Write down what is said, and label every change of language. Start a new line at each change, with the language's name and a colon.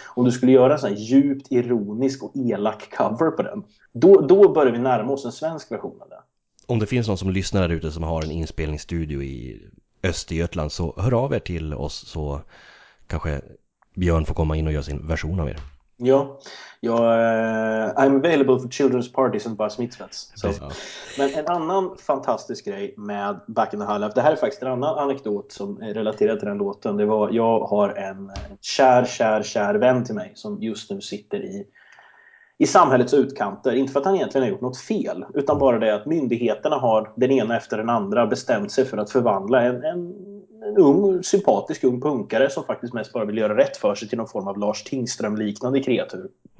Swedish: Om du skulle göra en sån här djupt ironisk och elak cover på den, då börjar vi närma oss en svensk version av det. Om det finns någon som lyssnar där ute som har en inspelningsstudio i Östergötland, så hör av er till oss, så kanske Björn får komma in och göra sin version av er. Ja, jag
English: I'm available for children's parties and bus mitzvahs. So.
Swedish: Men en annan fantastisk grej med Back in the High Life, det här är faktiskt en annan anekdot som är relaterad till den låten. Det var, jag har en kär vän till mig som just nu sitter i samhällets utkanter. Inte för att han egentligen har gjort något fel, utan bara det att myndigheterna har den ena efter den andra bestämt sig för att förvandla en ung, sympatisk ung punkare som faktiskt mest bara vill göra rätt för sig till någon form av Lars Tingström-liknande kreatur.